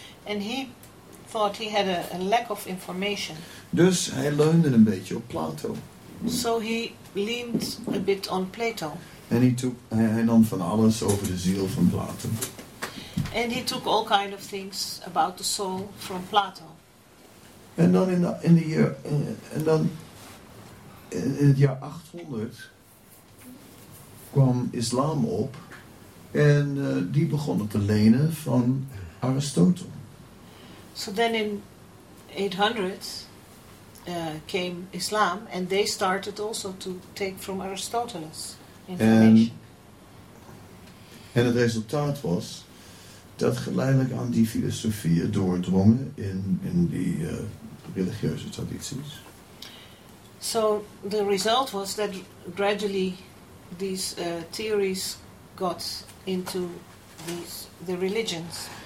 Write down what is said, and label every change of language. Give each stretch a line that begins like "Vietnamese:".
English: And he thought he had a lack of information.
Dutch: Dus hij leunde een beetje op Plato.
English: So he leaned a bit on Plato.
Dutch: En hij nam van alles over de ziel van Plato.
English: And he took all kind of things about the soul from Plato.
Dutch: En dan in het jaar 800 kwam islam op en die begonnen te lenen van Aristotel.
English: So then in 800 came islam and they started also to take from Aristoteles information.
Dutch: En het resultaat was dat geleidelijk aan die filosofieën doordrongen in die religieuze tradities.
English: So the result was that gradually these theories got into these the religions.